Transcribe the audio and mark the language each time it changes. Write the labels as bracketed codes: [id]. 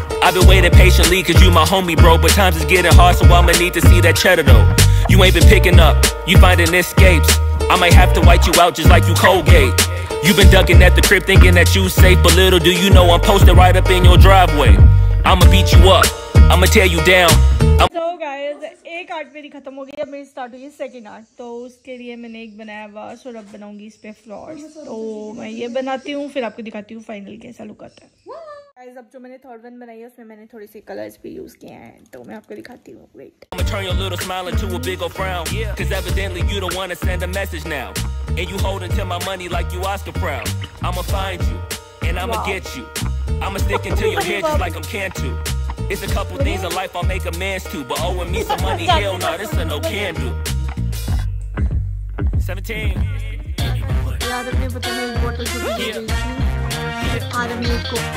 [en] I've been waiting patiently cause you my homie bro But times is getting hard so I'ma need to see that cheddar though You ain't been picking up, you finding escapes I might have to wipe you out just like you Colgate You've been ducking at the crib thinking that you safe But little do you know I'm posted right up in your driveway I'ma beat you up I'ma tear you down. [hi] So guys, एक art मेरी खत्म हो गई अब मेरी start हुई है second dart तो उसके लिए मैंने एक बनाया वास और अब बनाऊंगी इस पे फ्लावर्स तो मैं ये बनाती हूँ फिर आपको दिखाती हूँ फाइनल कैसा लुक आता है Guys, अब जो मैंने थर्ड वन बनाई है उसमें मैंने थोड़ी सी कलर्स भी यूज किए हैं तो मैं आपको दिखाती हूँ wait [en] I'ma turn your little smile into a big old frown yeah. Cause evidently you don't wanna send a message now And you holding to my money like you Oscar proud I'ma find you and I'ma get you I'ma stick into your head just like I'm Cantu It's a couple things in life I'll make amends to But owing me some money, hell nah, this a no can do 17